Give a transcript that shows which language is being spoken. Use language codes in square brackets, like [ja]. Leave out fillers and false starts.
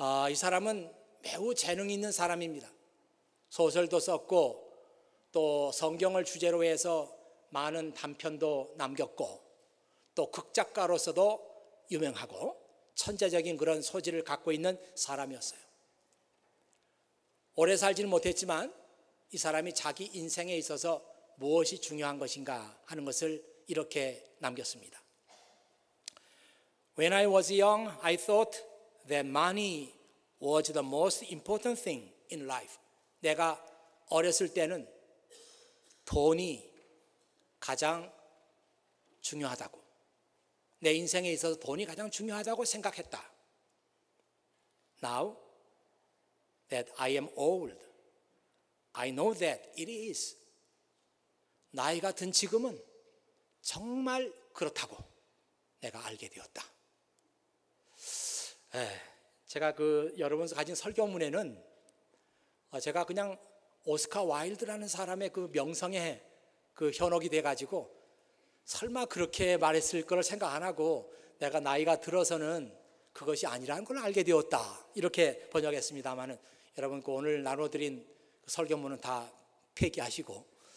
[ko] 이 사람은 매우 재능 있는 사람입니다. 소설도 썼고 또 성경을 주제로 해서 많은 단편도 남겼고 또 극작가로서도 유명하고 천재적인 그런 소질을 갖고 있는 사람이었어요. 오래 살지는 못했지만 이 사람이 자기 인생에 있어서 무엇이 중요한 것인가 하는 것을 이렇게 남겼습니다. [en] When I was young, I thought that money was the most important thing in life. [ko] 내가 어렸을 때는 돈이 가장 중요하다고 내 인생에 있어서 돈이 가장 중요하다고 생각했다. [en] Now that I am old, I know that it is. [ko] 나이가 든 지금은 정말 그렇다고 내가 알게 되었다. 제가 그 여러분께서 가진 설교문에는 제가 그냥 오스카 와일드라는 사람의 그 명성에 그 현혹이 돼가지고 설마 그렇게 말했을 거를 생각 안 하고 내가 나이가 들어서는 그것이 아니라는 걸 알게 되었다 이렇게 번역했습니다만은 여러분 그 오늘 나눠드린 그 설교문은 다 폐기하시고